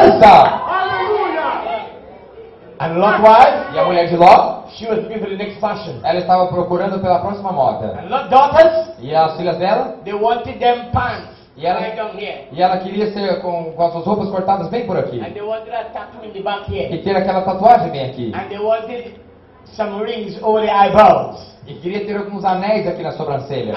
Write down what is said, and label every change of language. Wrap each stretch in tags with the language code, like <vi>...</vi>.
<en>Aleluia! And Lot wife?</en> <pt>E a mulher de Ló?</pt> <en>She was looking for the next fashion.</en> <pt>Ela estava procurando pela próxima moda.</pt> <en>And Lot daughters?</en> <pt>E as filhas dela?</pt> <en>They wanted them pants.</en> <pt>E ela,</pt> <en>right</en> <pt>e ela queria ser com as suas roupas cortadas bem por aqui.</pt> <en>And they wanted a tattoo in the back here.</en> <pt>E ter aquela tatuagem bem aqui.</pt> <en>And they wanted some rings over the eyeballs.</en> <pt>E queria ter alguns anéis aqui na sobrancelha.</pt>